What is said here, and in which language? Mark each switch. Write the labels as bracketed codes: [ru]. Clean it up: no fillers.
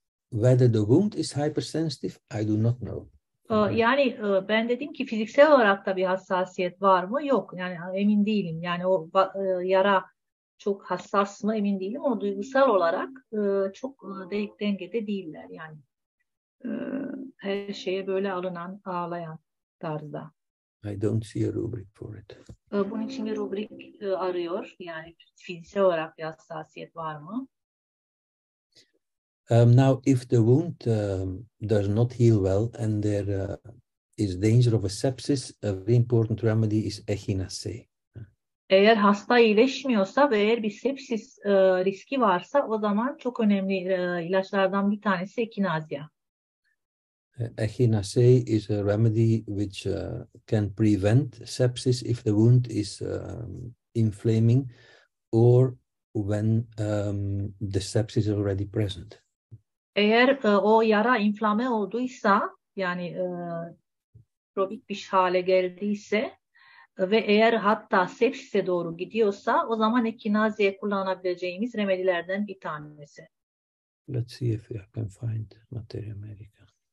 [en] Whether the wound is hypersensitive, I do not know. [tr] Yani ben dedim ki fiziksel olarak da bir hassasiyet var mı? Yok. Yani emin değilim. Yani o yara çok hassas mı? Emin değilim. O duygusal olarak çok dengede değiller. Yani her şeye böyle alınan, ağlayan tarzda. [en] I don't see a rubric for it. [tr] Bunun için bir rubrik arıyor. Yani fiziksel olarak bir hassasiyet var mı? [en] Now, if the wound does not heal well and there is danger of a sepsis, a very important remedy is echinacea. [tr] Eğer hasta iyileşmiyorsa ve eğer bir sepsis riski varsa o zaman çok önemli ilaçlardan bir tanesi echinacea. [en] Echinacea is a remedy which can prevent sepsis if the wound is inflaming or when the sepsis is already present. [tr] Eğer o yara inflame olduysa, yani probik bir hale geldiyse ve eğer hatta sepsise doğru gidiyorsa o zaman echinacea kullanabileceğimiz remedilerden bir tanesi. [en] Let's see if we can find Materia Medica.